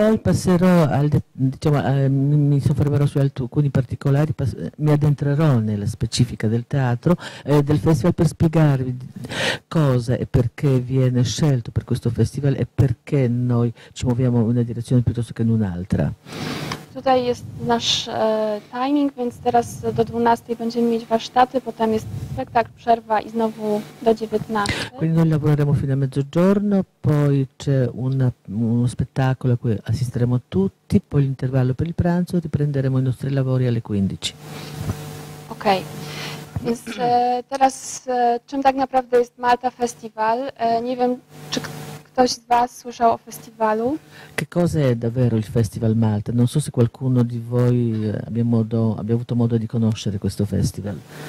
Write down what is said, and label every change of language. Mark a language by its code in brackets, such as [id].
[it] E poi passerò al, diciamo, mi soffermerò su alcuni particolari, mi addentrerò nella specifica del teatro, del festival per spiegarvi cosa e perché viene scelto per questo festival e perché noi ci muoviamo in una direzione piuttosto che in un'altra. [pl] Tutaj jest nasz timing, więc teraz do 12 będziemy mieć warsztaty, potem jest spektakl, przerwa i znowu do 19. [it] Quindi noi lavoreremo fino a mezzogiorno, poi c'è uno spettacolo a cui assisteremo tutti, poi l'intervallo per il pranzo, riprenderemo i nostri lavori alle 15. Ok. [pl] Więc teraz czym tak naprawdę jest Malta Festival? Nie wiem, czy ktoś z was słyszał o festiwalu? [it] Che cosa è davvero il Festival Malta? Non so se qualcuno di voi abbia avuto modo di conoscere questo festival.